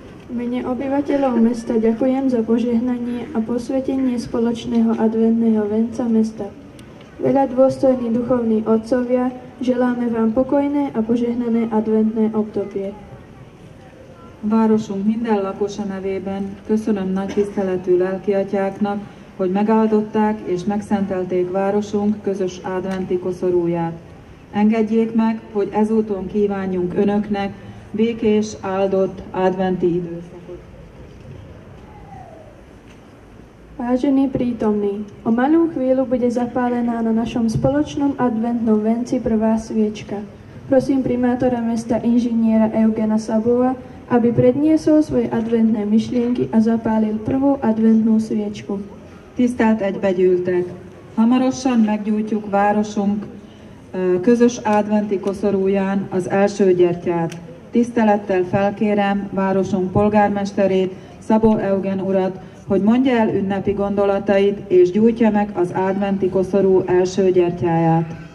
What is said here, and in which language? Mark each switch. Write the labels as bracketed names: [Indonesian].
[Slovak] Mene obyvateľov mesta ďakujem za požehnanie a posvetenie spoločného adventného venca mesta. Veľa dôstojní duchovní otcovia, želáme vám pokojné a požehnané adventné obdobie. [Hungarian] Városunk minden lakosa nevében köszönöm nagy tiszteletű lelkiatyáknak, hogy megáldották és megszentelték városunk közös adventi koszorúját. Engedjék meg, hogy ezúton kívánjunk önöknek békés, áldott adventi időszakot. [Slovak] Vážení prítomní, o malú chvíľu bude zapálená na našom spoločnom adventnom venci prvá sviečka. Prosím primátora mesta inžiniera Eugena Sabova, aby predniesol svoje adventné myšlienky a zapálil prvú adventnú sviečku. [Hungarian] Tisztelt egybegyűltek! Hamarosan meggyújtjuk városunk közös adventi koszorúján az első gyertyát. Tisztelettel felkérem városunk polgármesterét, Szabó Eugen urat, hogy mondja el ünnepi gondolatait, és gyújtja meg az adventi koszorú első gyertyáját.